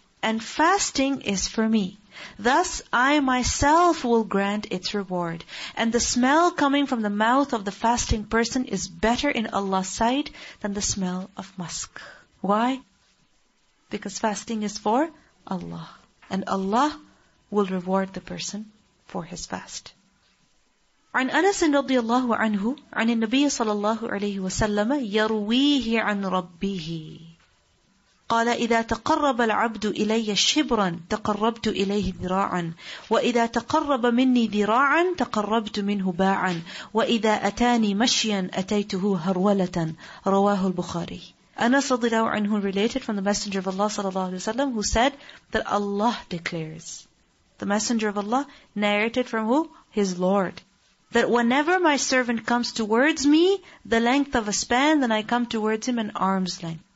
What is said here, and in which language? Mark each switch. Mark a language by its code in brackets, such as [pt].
[en] And fasting is for me. Thus, I myself will grant its reward. And the smell coming from the mouth of the fasting person is better in Allah's sight than the smell of musk. Why? Because fasting is for Allah. And Allah will reward the person for his fast. [ar] عن أنس رضي الله عنه عن النبي صلى الله عليه وسلم يرويه عن ربه قال إذا تقرب العبد إلي شبرا تقربت إليه ذراعا وإذا تقرب مني ذراعا تقربت منه باعا وإذا أتاني مشيا أتيته هرولة رواه البخاري. [en] Anas radiallahu anhu related from the Messenger of Allah sallallahu alaihi wasallam, who said that Allah declares. The Messenger of Allah narrated from who? His Lord. That whenever my servant comes towards me the length of a span, then I come towards him an arm's length.